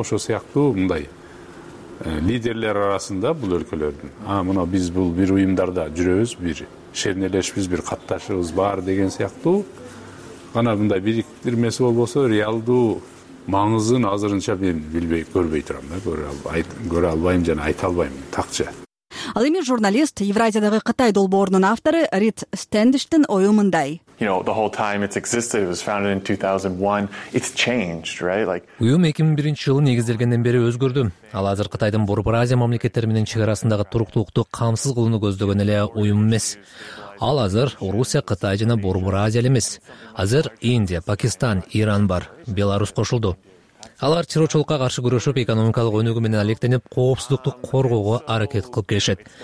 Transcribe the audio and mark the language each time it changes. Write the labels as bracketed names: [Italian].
[Kyrgyz] Ошол сыяктуу мындай лидерлер арасында бул өлкөлөрдүн, мына биз бул бир уюмдарда жүрөбүз, бир шернелешибиз, бир катташыбыз бар деген сыяктуу гана мындай бириктирмеси болбосо, реалдуу маңызын азырынча мен билбей, көрбөй турам да, көрө албайм жана айта албайм такча. Ал эми журналист, Евразиядагы Кытай долбоорунун автору Рид Стендиштин ою мындай. [English] You know, the whole time it's existed, it was founded in 2001, it's changed, right? Like [Kyrgyz] уюм 2001 жылы негизделгенден бери өзгөрдү. Ал азыр Кытайдын Борбор Азия мамлекеттери менен чек арасындагы туруктуулукту камсыз кылууну көздөгөн эле уюм эмес. Ал азыр Орусия, Кытай жана Борбор Азия эмес. Азыр Индия, Пакистан, Иран бар, Беларусь кошулду. Алар террорчулукка каршы күрөшүп, экономикалык өнүгү менен алектенип, коопсуздукту коргоого аракет кылып келишет.